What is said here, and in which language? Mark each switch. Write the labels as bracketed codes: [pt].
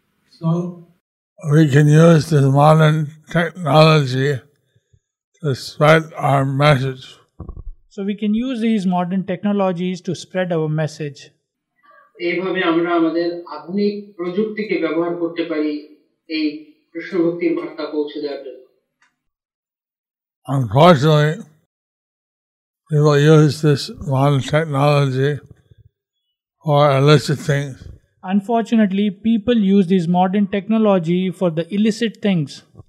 [en] So, we can use this modern technology to spread our message. So, we can use these modern technologies to spread our message. [bn] এইভাবে আমরা আমাদের আধুনিক প্রযুক্তিকে ব্যবহার করতে পারি এই কৃষ্ণ ভক্তির বার্তা পৌঁছে দেওয়ার জন্য। [en] Unfortunately, people use this modern technology for illicit things. Unfortunately, people use this modern technology for the illicit things.